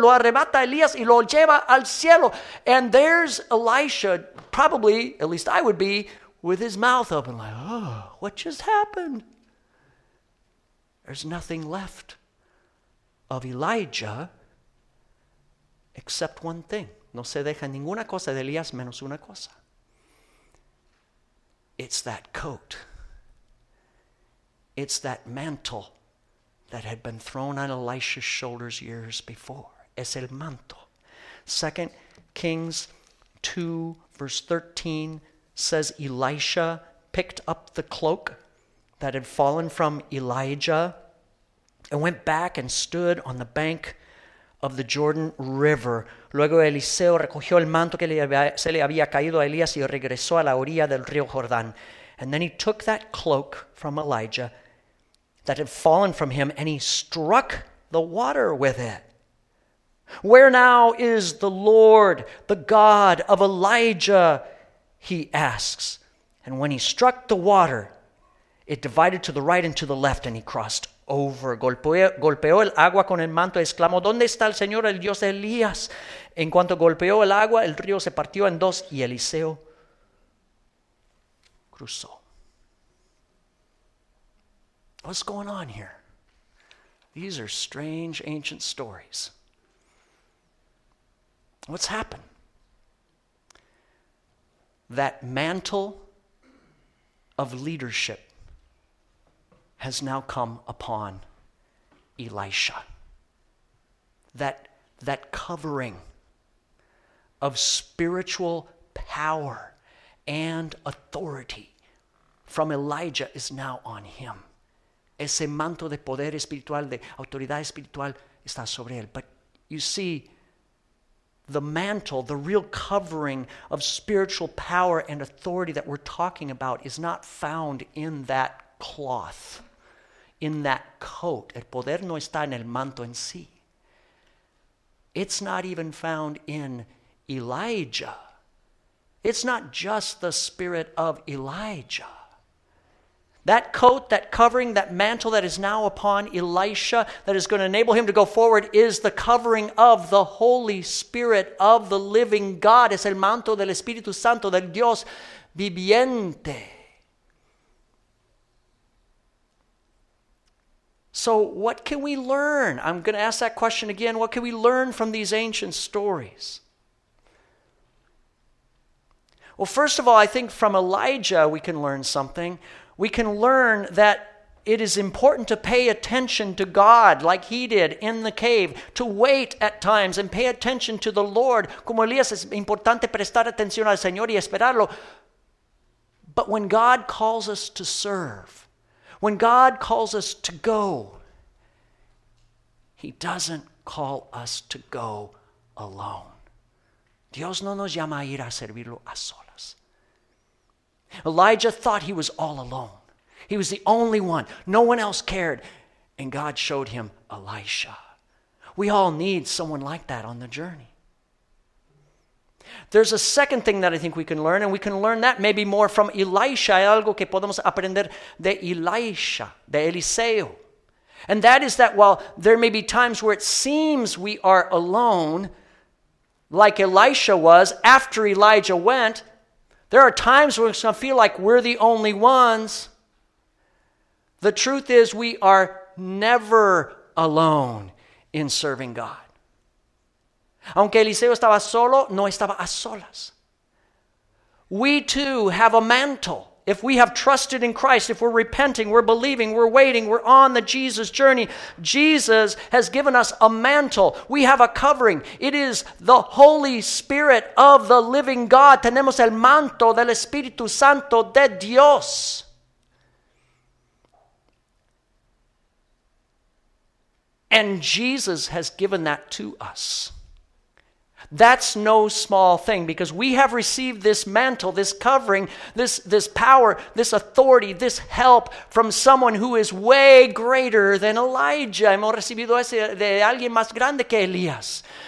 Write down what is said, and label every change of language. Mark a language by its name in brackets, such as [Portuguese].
[Spanish] Lo arrebata Elías y lo lleva al cielo. [English] And there's Elisha, probably, at least I would be, with his mouth open like, "Oh, what just happened?" There's nothing left of Elijah except one thing. [Spanish] No se deja ninguna cosa de Elías menos una cosa. [English] It's that coat. It's that mantle that had been thrown on Elisha's shoulders years before. [Spanish] Es el manto. [English] 2 Kings 2 verse 13 says Elisha picked up the cloak that had fallen from Elijah and went back and stood on the bank of the Jordan River. [Spanish] Luego Eliseo recogió el manto que se le había caído a Elías y regresó a la orilla del río Jordán. [English] And then he took that cloak from Elijah that had fallen from him and he struck the water with it. "Where now is the Lord, the God of Elijah?" he asks. And when he struck the water, it divided to the right and to the left, and he crossed over. [Spanish] Golpeó el agua con el manto y exclamó, "¿Dónde está el Señor, el Dios de Elías?" En cuanto golpeó el agua, el río se partió en dos y Eliseo cruzó. [English] What's going on here? These are strange ancient stories. What's happened? That mantle of leadership has now come upon Elisha. That covering of spiritual power and authority from Elijah is now on him. [Spanish] Ese manto de poder espiritual, de autoridad espiritual, está sobre él. [English] But you see, the mantle, the real covering of spiritual power and authority that we're talking about is not found in that cloth, in that coat. [Spanish] El poder no está en el manto en sí. [English] It's not even found in Elijah. It's not just the spirit of Elijah. That coat, that covering, that mantle that is now upon Elisha that is going to enable him to go forward is the covering of the Holy Spirit of the living God. [Spanish] Es el manto del Espíritu Santo, del Dios viviente. [English] So what can we learn? I'm going to ask that question again. What can we learn from these ancient stories? Well, first of all, I think from Elijah we can learn something. We can learn that it is important to pay attention to God like he did in the cave, to wait at times and pay attention to the Lord. [Spanish] Como Elías, es importante prestar atención al Señor y esperarlo. [English] But when God calls us to serve, when God calls us to go, he doesn't call us to go alone. [Spanish] Dios no nos llama a ir a servirlo a solo. [English] Elijah thought he was all alone. He was the only one. No one else cared. And God showed him Elisha. We all need someone like that on the journey. There's a second thing that I think we can learn, and we can learn that maybe more from Elisha. [Spanish] Hay algo que podemos aprender de Elisha, de Eliseo. [English] And that is that while there may be times where it seems we are alone, like Elisha was after Elijah went, there are times when it's going to feel like we're the only ones. The truth is we are never alone in serving God. [Spanish] Aunque Eliseo estaba solo, no estaba a solas. [English] We too have a mantle. If we have trusted in Christ, if we're repenting, we're believing, we're waiting, we're on the Jesus journey, Jesus has given us a mantle. We have a covering. It is the Holy Spirit of the living God. [Spanish] Tenemos el manto del Espíritu Santo de Dios. [English] And Jesus has given that to us. That's no small thing, because we have received this mantle, this covering, this power, this authority, this help from someone who is way greater than Elijah. [Spanish] Hemos recibido ese de alguien más grande que Elías.